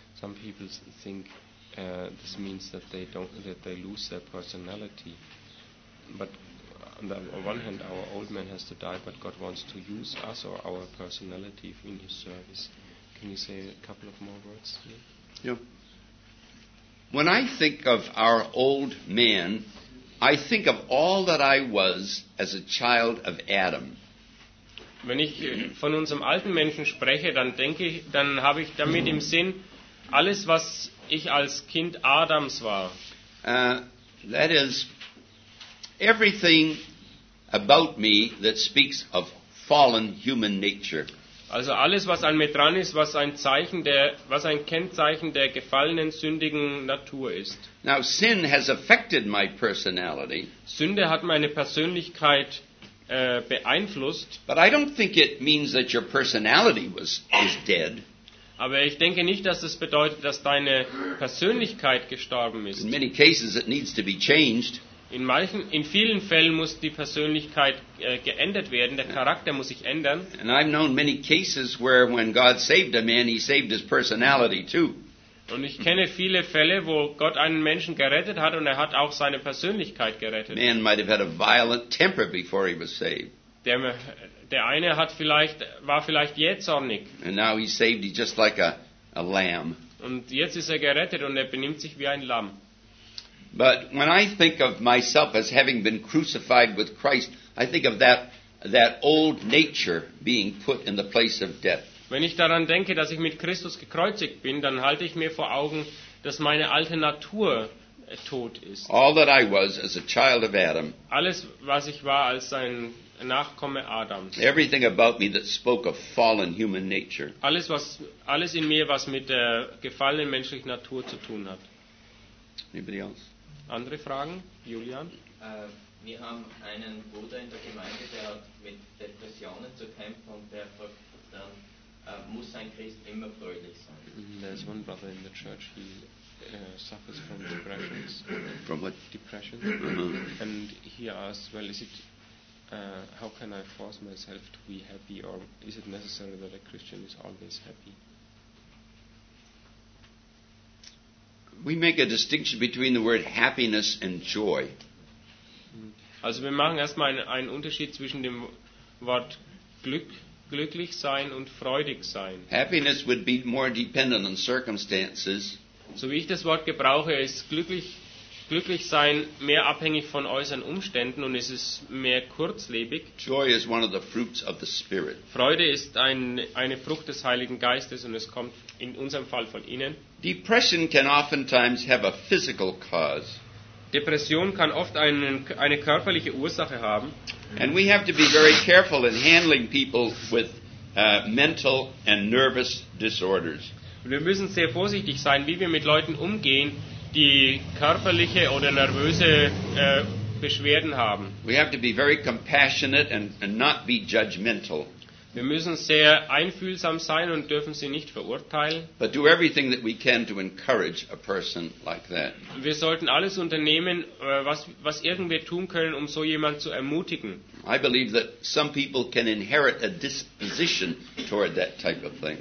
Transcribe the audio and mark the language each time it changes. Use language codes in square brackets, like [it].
[en] Some people think this means that they lose their personality, but on the one hand, our old man has to die, but God wants to use us or our personality in His service. Can you say a couple of more words here? Yeah. When I think of our old man, I think of all that I was as a child of Adam. [de] Wenn ich von unserem alten Menschen spreche, dann denke ich, dann habe ich damit im Sinn alles, was ich als Kind Adams war. [en] That is everything about me that speaks of fallen human nature. [de] Also alles, was an mir dran ist, was ein Kennzeichen der gefallenen, sündigen Natur ist. [en] Now, sin has affected my personality. [de] Sünde hat meine Persönlichkeit beeinflusst. [en] But I don't think it means that your personality is dead. [de] Aber ich denke nicht, dass es bedeutet, dass deine Persönlichkeit gestorben ist. [en] In many cases it needs to be changed. [de] In vielen Fällen muss die Persönlichkeit geändert werden, der Charakter muss sich ändern. [en] And I've known many cases where when God saved a man, he saved his personality too. [de] Und ich kenne viele Fälle, wo Gott einen Menschen gerettet hat und er hat auch seine Persönlichkeit gerettet. [en] Man might have had a violent temper before he was saved. [de] Der eine war vielleicht jähzornig. [en] And now he's saved, he's just like a lamb. [de] Und jetzt ist er gerettet und er benimmt sich wie ein Lamm. [en] But when I think of myself as having been crucified with Christ, I think of that old nature being put in the place of death. [de] Wenn ich daran denke, dass ich mit Christus gekreuzigt bin, dann halte ich mir vor Augen, dass meine alte Natur tot ist. [en] All that I was as a child of Adam. [de] Alles, was ich war als ein Nachkomme Adams. [en] Everything about me that spoke of fallen human nature. [de] Alles in mir, was mit der gefallenen menschlichen Natur zu tun hat. [en] Anybody else? [de] Andere Fragen? Julian? Wir haben einen Bruder in der Gemeinde, der hat mit Depressionen zu kämpfen und der fragt dann, muss ein Christ immer fröhlich sein? [en] There's one brother in the church, he suffers from depressions. From what? Depression. And he asks, well, is it, how can I force myself to be happy, or is it necessary that a Christian is always happy? We make a distinction between the word happiness and joy. [de] Also wir machen erstmal einen Unterschied zwischen dem Wort glücklich sein und freudig sein. [en] Happiness would be more dependent on circumstances. [de] So wie ich das Wort gebrauche, ist glücklich sein mehr abhängig von äußeren Umständen und es ist mehr kurzlebig. [en] Joy is one of the fruits of the Spirit. [de] Freude ist eine Frucht des Heiligen Geistes und es kommt in unserem Fall von innen. [en] Depression can oftentimes have a physical cause. [de] Depression kann oft eine körperliche Ursache haben. [en] And we have to be very careful in handling people with mental and nervous disorders. [de] Und wir müssen sehr vorsichtig sein, wie wir mit Leuten umgehen, die körperliche oder nervöse Beschwerden haben. [en] We have to be very compassionate and not be judgmental. [de] Wir müssen sehr einfühlsam sein und dürfen sie nicht verurteilen. [en] But do everything that we can to encourage a person like that. [de] Wir sollten alles unternehmen, was irgendwie tun können, um so jemand zu ermutigen. [en] I believe that some people can inherit a disposition toward that type of thing.